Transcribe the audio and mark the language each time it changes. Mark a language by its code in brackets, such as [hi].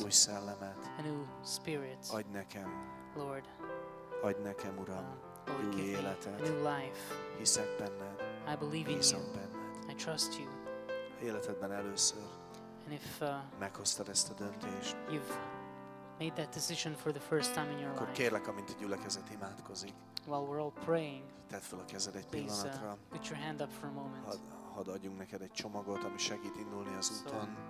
[hu] új szellemet, [en] a new spirit, [hu] adj nekem, [en] Lord, [hu] adj nekem, Uram, új életet, [en] a new life, [hu] hiszek benned, [en] I believe in you, [hu] benned, [en] I trust you, [hu] életedben először, [en] and if [hu] meghoztad ezt a döntést, [en] you've made that decision for the first time in your life, [hu] akkor kérlek, amint a gyülekezet imádkozik, [en] while we're all praying. [hu] Tedd fel a kezed egy pillanatra. [en] Put your hand up for a moment. [hu] Hadd adjunk neked egy csomagot, ami segít indulni az úton.